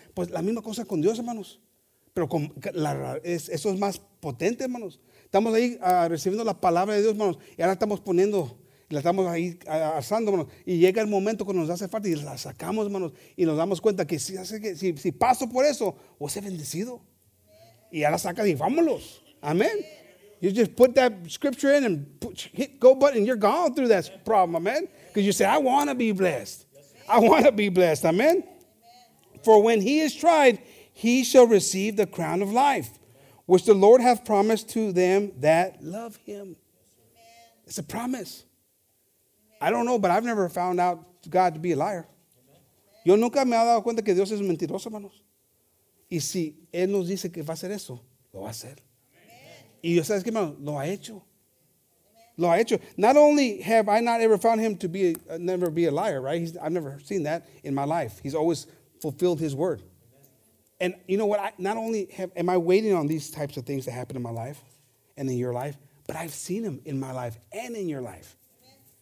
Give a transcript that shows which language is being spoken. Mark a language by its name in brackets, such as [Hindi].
[Spanish] Pues la misma cosa con Dios, hermanos. Pero eso es más potente, hermanos. Estamos ahí recibiendo la palabra de Dios, hermanos. Y ahora estamos poniendo, la estamos ahí asando, hermanos. Y llega el momento cuando nos hace falta y la sacamos, hermanos. Y nos damos cuenta que si paso por eso, voy a ser bendecido. Y ahora saca y vámonos. Amén. [English] You just put that scripture in and hit go button. You're gone through that problem, amen. Because you say, I want to be blessed. I want to be blessed. Amen? For when he is tried, he shall receive the crown of life, which the Lord hath promised to them that love him. It's a promise. I don't know, but I've never found out God to be a liar. [Spanish] Yo nunca me he dado cuenta que Dios es mentiroso, hermanos. Y si él nos dice que va a hacer eso, lo va a hacer. Y yo sabes que, hermano, lo ha hecho. Lo ha hecho. [English] Not only have I not ever found him to be never be a liar, right? I've never seen that in my life. He's always fulfilled his word. And you know what? Am I waiting on these types of things to happen in my life and in your life, but I've seen him in my life and in your life. Amen.